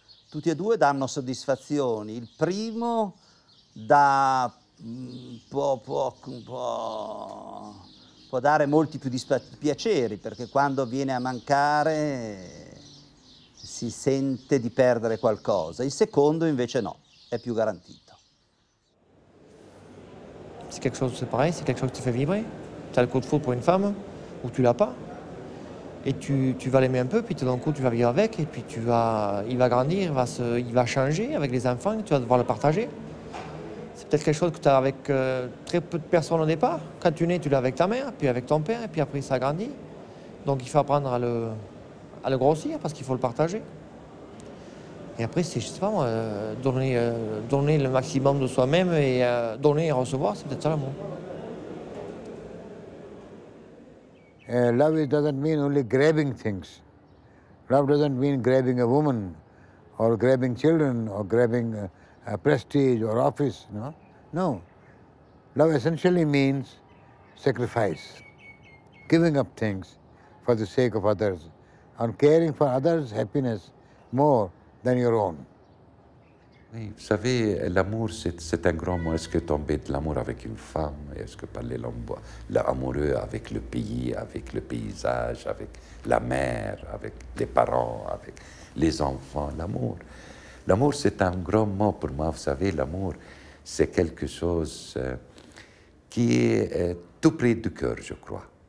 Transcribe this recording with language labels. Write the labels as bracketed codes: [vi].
[it] Tutti e due danno soddisfazioni. Il primo dà può dare molti più piaceri, perché quando viene a mancare si sente di perdere qualcosa. Il secondo invece no, è più garantito. [fr] C'est quelque chose, c'est pareil, c'est quelque chose qui te fait vibrer. T'as le coup de foudre pour une femme ou tu l'as pas. Et tu vas l'aimer un peu, puis tout d'un coup tu vas vivre avec, et puis il va grandir, il va changer avec les enfants, tu vas devoir le partager. C'est peut-être quelque chose que tu as avec très peu de personnes au départ. Quand tu nais, tu l'as avec ta mère, puis avec ton père, et puis après ça grandit. Donc il faut apprendre à le grossir, parce qu'il faut le partager. Et après, c'est justement donner le maximum de soi-même et donner et recevoir, c'est peut-être ça l'amour. [en] Love doesn't mean only grabbing things. Love doesn't mean grabbing a woman, or grabbing children, or grabbing a prestige or office, no? No. Love essentially means sacrifice, giving up things for the sake of others, and caring for others' happiness more than your own. [fr] Oui, vous savez, l'amour, c'est un grand mot. Est-ce que tomber de l'amour avec une femme? Est-ce que parler l'amoureux avec le pays, avec le paysage, avec la mère, avec les parents, avec les enfants? L'amour. L'amour, c'est un grand mot pour moi. Vous savez, l'amour, c'est quelque chose qui est tout près du cœur, je crois.